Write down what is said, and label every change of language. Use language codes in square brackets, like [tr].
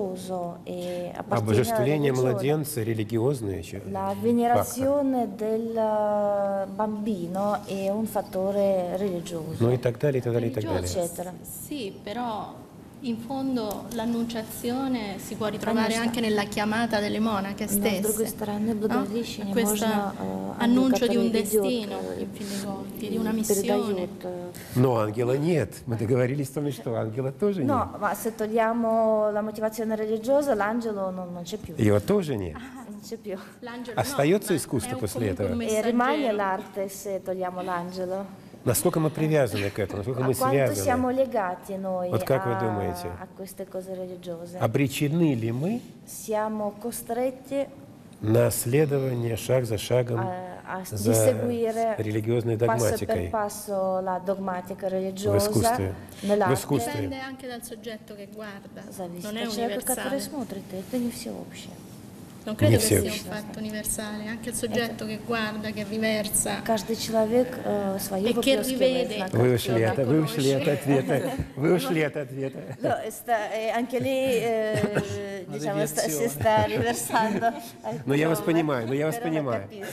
[ru] Обожествление младенца – религиозная черта. [it] La venerazione del bambino è un fattore religioso. [ru] Ну и так далее, и так далее, и так далее. [it] Sì, però in fondo l'annunciazione si può ritrovare anche nella chiamata delle monache stesse. Questo annuncio di un destino, di una missione. [ru] No, ангела нет. Мы договорились с вами, что ангела тоже нет. [it] No, ma se togliamo la motivazione religiosa, l'angelo non c'è più. [ru] Его тоже нет. [it] Non c'è più. [ru] Остается искусство после этого. [it] E rimane l'arte se togliamo l'angelo. [ru] Насколько мы привязаны к этому, насколько мы связаны? [it] Siamo legati noi [ru] вот как вы думаете? [it] A queste cose religiose? [ru] Обречены ли мы [it] siamo costretti [ru] на следование шаг за шагом за религиозной догматикой [it] passo per passo la dogmatica religiosa [ru] в искусстве? В искусстве. [it] Dipende anche dal soggetto che guarda. [ru] Зависит от человека, который смотрит. Это не всеобщее. [it] Non credo che sia un fatto universale, anche il soggetto che guarda, che riversa. [ru] Каждый человек свою поверхность. [it] E che rivede. [ru] Вы ушли от ответа. [it] No, anche lì diciamo si sta riversando. [ru] Но я вас понимаю, но я вас понимаю.